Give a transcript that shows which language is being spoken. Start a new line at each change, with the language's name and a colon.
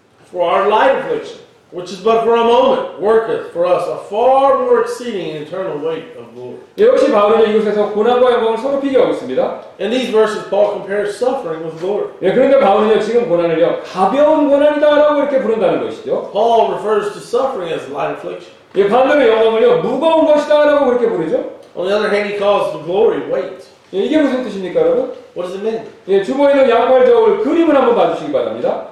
English: For our light affliction, which is but for a moment, worketh for us a far more exceeding eternal weight of glory.
Korean: 역시 바울은 이곳에서 고난과 영광을 서로 비교하고 있습니다.
English: In these verses, Paul compares suffering with glory.
Korean: 예, 그러니까 바울은 지금 고난을요 가벼운 고난이다라고 이렇게 부른다는 것이죠.
English: Paul refers to suffering as light affliction.
Korean: 예, 반대로 영광을요 무거운 것이다라고 그렇게 부르죠.
English: On the other hand, he calls the glory weight.
Korean: 예, 이게 무슨 뜻입니까, 여러분?
English: What does it mean?
Korean: 예, 주머에 있는 양말 저울 그림을 한번 봐주시기 바랍니다.